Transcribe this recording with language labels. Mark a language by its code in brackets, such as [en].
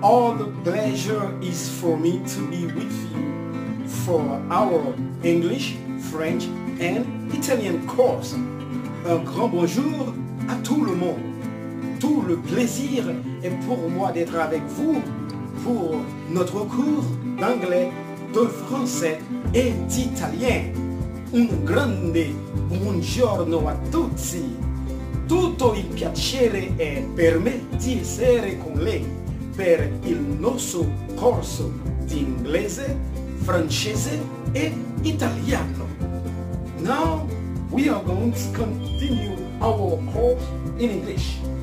[en] All the pleasure is for me to be with you for our English, French and Italian course. [fr] Un grand bonjour à tout le monde. Tout le plaisir est pour moi d'être avec vous pour notre cours d'anglais, de français et d'italien. [it] Un grande buongiorno a tutti. Tutto il piacere è per me di essere con lei per il nostro corso di inglese, francese e italiano. [en] Now we are going to continue our course in English.